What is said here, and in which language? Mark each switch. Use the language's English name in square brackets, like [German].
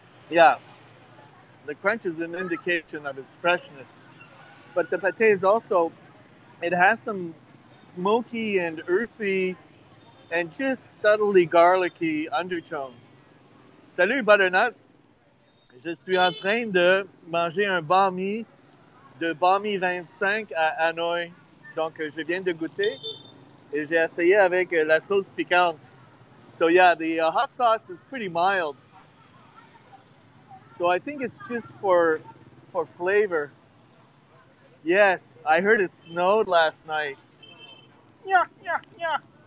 [English] Yeah. The crunch is an indication of its freshness. But the pâté is also, it has some smoky and earthy and just subtly garlicky undertones. [French] Salut, butternuts. Je suis en train de manger un banh mi de banh mi 25 à Hanoi. Donc, je viens de goûter et j'ai essayé avec la sauce piquante. [English] So, yeah, the hot sauce is pretty mild. So, I think it's just for flavor. Yes, I heard it snowed last night. Yeah, yeah, yeah.